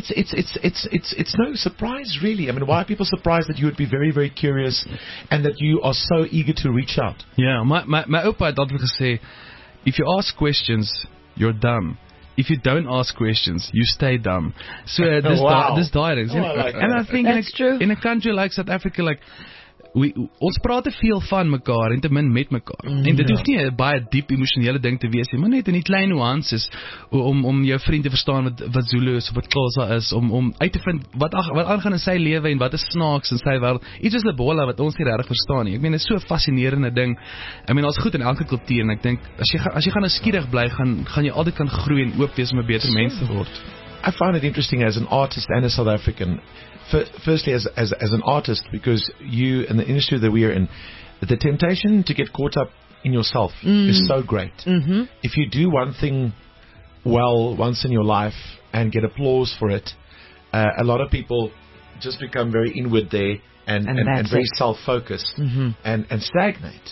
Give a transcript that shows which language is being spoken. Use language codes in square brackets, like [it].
[en] So it's no surprise, really. I mean, why are people surprised that you would be very, very curious and that you are so eager to reach out? Yeah. My opa had always said, if you ask questions, you're dumb. If you don't ask questions, you stay dumb. So this wow. This diet is, oh, I like and that. I think that's true. In a country like South Africa, like [af] ons praat te veel van mekaar en te min met mekaar. En dit hoef nie een baie diep emotionele ding te wees, maar net in die kleine nuances, om jou vriend te verstaan wat Zulu is, of wat Xhosa is, om uit te vind wat aangaan in sy lewe en wat is snaaks in sy wereld. Iets is Lebola wat ons nie regtig verstaan nie. Ek meen, dit is so'n fascinerende ding. Ek meen, al is goed in elke kultuur, en ek denk, as jy gaan nieuwsgierig bly, gaan jy altyd kan groei en oop wees om 'n beter mens te word. [en] I find it interesting as an artist and a South African, firstly as an artist, because you and the industry that we are in, the temptation to get caught up in yourself is so great. Mm-hmm. If you do one thing well once in your life and get applause for it, a lot of people just become very inward there and very self-focused and stagnate.